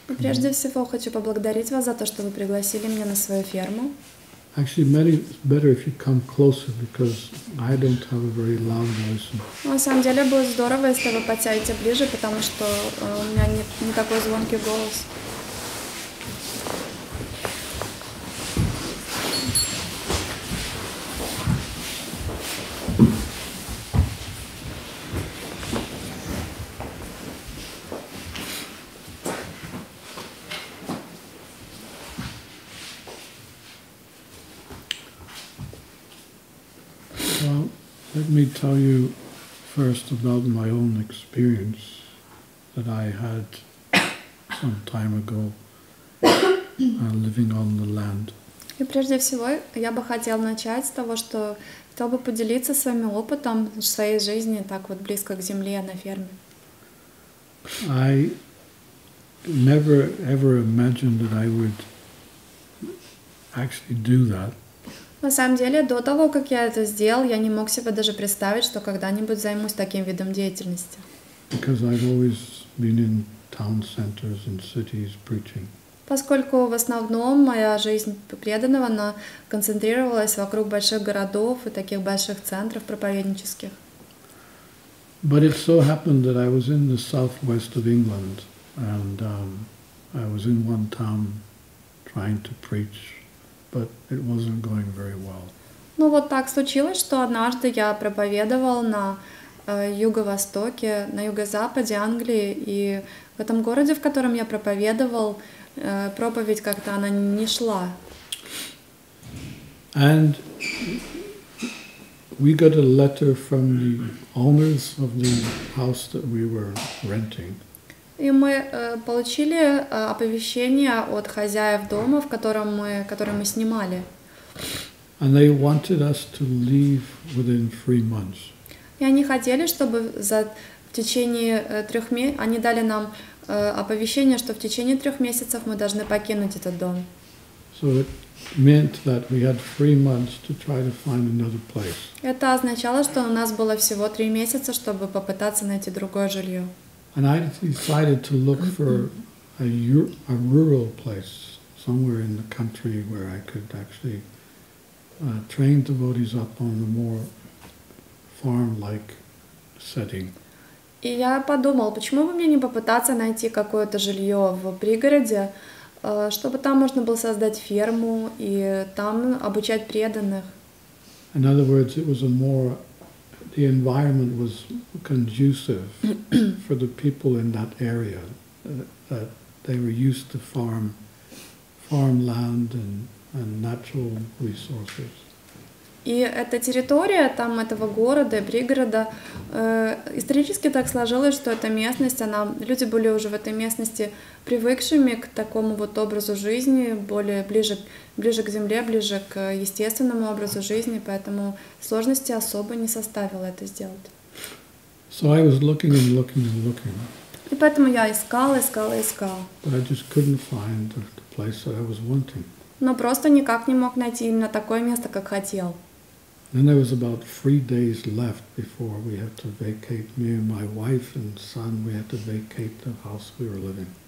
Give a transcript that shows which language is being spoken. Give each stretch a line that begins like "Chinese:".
Russian: Прежде всего хочу поблагодарить вас за то, что вы пригласили меня на свою ферму.
English: Actually, it's better if you come closer because I don't have a very loud voice.
Russian: На самом деле было здорово, если вы подсядете ближе, потому что у меня не такой звонкий голос.
English: Tell you first about my own experience that I had some time ago living on the land.
Russian: И прежде всего я бы хотел начать с того, что хотел бы поделиться своим опытом своей жизни так вот близко к земле на ферме.
English: I never ever imagined that I would actually do that.
Russian: На самом деле, до того, как я это сделал, я не мог себе даже представить, что когда-нибудь займусь таким видом деятельности.
English: Because I've always been in town centers and cities preaching.
Russian: Поскольку в основном моя жизнь преданного, она концентрировалась вокруг больших городов и таких больших центров проповеднических.
English: But it so happened that I was in the southwest of England, and I was in one town trying to preach. But it wasn't going very well.
Russian: Ну вот так случилось, что однажды я проповедовал на юго-востоке, на юго-западе Англии, и в этом городе, в котором я проповедовал, проповедь как-то она не шла.
English: And we got a letter from the owners of the house that we were renting.
Russian: И мы получили оповещение от хозяев дома, который мы снимали.
English: And they wanted us to leave within 3 months.
Russian: И они хотели, чтобы в течение трех месяцев, они дали нам оповещение, что в течение 3 месяцев мы должны покинуть этот дом.
English: So it meant that we had 3 months to try to find another place.
Russian: Это означало, что у нас было всего 3 месяца, чтобы попытаться найти другое жилье.
English: And I decided to look for a rural place somewhere in the country where I could actually train devotees up on a more farm-like setting.
Russian: И я подумал, почему бы мне не попытаться найти какое-то жилье в пригороде, чтобы там можно было создать ферму и там обучать преданных.
English: In other words, it was a more the environment was conducive for the people in that area, that they were used to farmland and natural resources.
Russian: И эта территория там этого города, пригорода, исторически так сложилось, что эта местность, она люди были уже в этой местности привыкшими к такому вот образу жизни, более ближе к земле, ближе к естественному образу жизни, поэтому сложности особо не составило это сделать.
English: So I was looking and looking and looking.
Russian: И поэтому я искал.
English: But I just couldn't find the place that I was wanting.
Russian: Но просто никак не мог найти именно такое место, как хотел.
English: Then there was about 3 days left before we had to vacate. Me and my wife and son, we had to vacate the house we were living.